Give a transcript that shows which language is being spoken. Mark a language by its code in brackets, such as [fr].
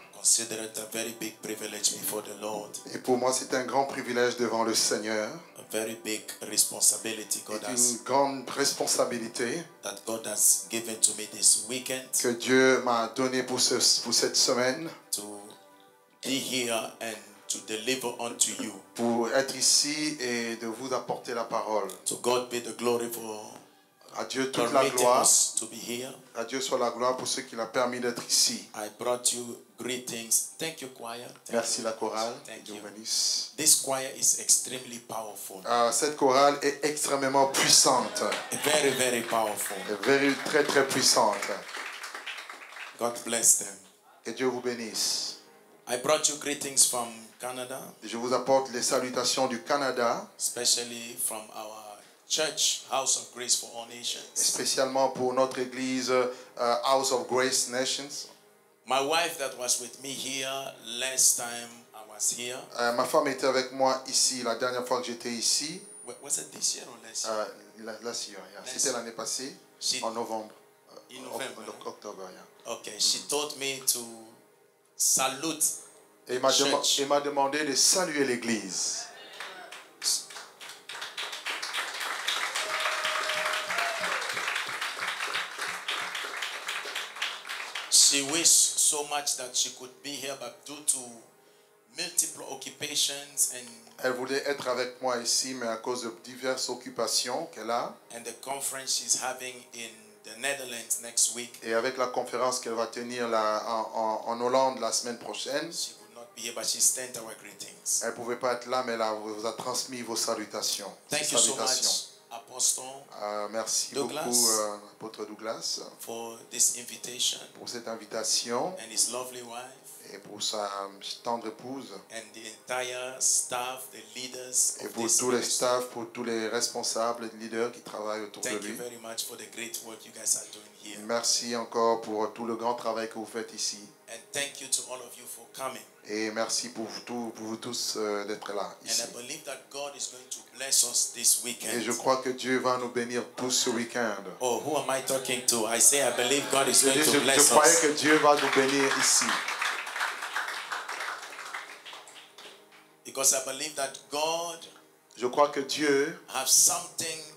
[en] Consider it a very big privilege before the Lord. [fr] Et pour moi, c'est un grand privilège devant le Seigneur. [en] very big responsibility God has. [fr] Une grande responsabilité. [en] That God has given to me this weekend. [fr] Que Dieu m'a donné pour ce, pour cette semaine. [en] To be here and to deliver unto you. [fr] Pour être ici et de vous apporter la parole. [en] To God be the glory for. [fr] À Dieu toute la gloire. [en] To be here. [fr] À Dieu soit la gloire pour ceux qui l'ont permis d'être ici. [en] I brought you greetings. Thank you, choir. [fr] Merci la chorale. [en] Thank you. This choir is extremely powerful. [fr] Cette chorale est extrêmement puissante. [en] Very, very powerful. Very, [fr] très, très puissante. [en] God bless them. [fr] Que Dieu vous bénisse. [en] I brought you greetings from Canada. [fr] Je vous apporte les salutations du Canada. [en] Especially from our Church, House of Grace for All Nations. [fr] Spécialement pour notre église, House of Grace Nations. [en] My wife that was with me here last time I was here. [fr] Ma femme était avec moi ici la dernière fois que j'étais ici. [en] Was it this year or last year? Last year, yeah. Last [fr] c'était l'année passée, en novembre. [en] In November. October, yeah. Okay, she told me to salute [fr] et m'a [en] the church. [fr] Et m'a demandé de saluer l'église. [en] She wished so much that she could be here, but due to multiple occupations and. [fr] Elle voulait être avec moi ici, mais à cause de diverses occupations qu'elle a. [en] And the conference she's having in the Netherlands next week. [fr] Et avec la conférence qu'elle va tenir là en Hollande la semaine prochaine. [en] She could not be here, but she sent our greetings. [fr] Elle pouvait pas être là, mais elle vous a transmis vos salutations. [en] Thank you [fr] salutations. [en] So much. Apostle [fr] merci Douglas, beaucoup, apôtre Douglas, [en] for this invitation, [fr] pour cette invitation, [en] and his lovely wife, [fr] et pour sa tendre épouse, [en] and the entire staff, the leaders, [fr] et pour tous les staff, pour tous les responsables, les leaders qui travaillent autour [en] Thank [fr] de lui. [en] Thank you very much for the great work you guys are doing here. [fr] Merci encore pour tout le grand travail que vous faites ici. [en] And thank you to all of you for coming. [fr] Et merci pour vous tous d'être là ici. [en] And I believe that God is going to bless us this weekend. [fr] Et je crois que Dieu va nous bénir tous ce week-end. [en] Oh, who am I talking to? I say I believe God is going to bless us. [fr] Je croyais que Dieu va nous bénir ici. [en] Because I believe that God, [fr] je crois que Dieu [en] has something